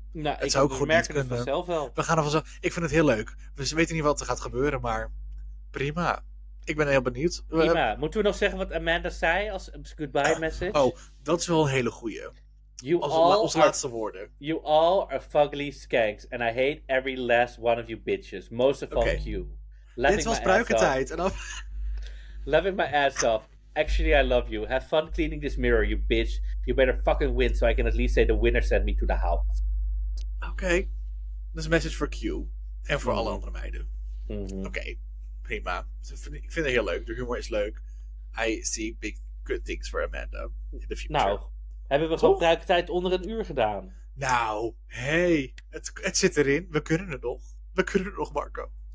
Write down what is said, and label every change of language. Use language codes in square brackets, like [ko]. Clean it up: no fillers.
[nl] Nou, het zou ook goed niet kunnen. Ik merk het vanzelf wel. We gaan er vanzelf. Ik vind het heel leuk. We weten niet wat er gaat gebeuren, maar prima. Ik ben heel benieuwd. Prima. Moeten we nog zeggen wat Amanda zei als goodbye message? Oh, dat is wel een hele goeie. Als laatste woorden. [en] You all are fugly skanks. And I hate every last one of you bitches. Most of all you. [nl] Dit was pruikentijd. [en] Loving my ass off. Actually, I love you. Have fun cleaning this mirror, you bitch. You better fucking win so I can at least say the winner sent me to the house. [nl] Oké. Dat is een message voor Q. En voor alle andere meiden. Mm-hmm. Oké. Prima. Ik vind het heel leuk. De humor is leuk. [en] I see big good things for Amanda in the future. [nl] Nou, hebben we gewoon bruiktijd onder een uur gedaan. Nou, het zit erin. We kunnen het nog. We kunnen het nog, Marco.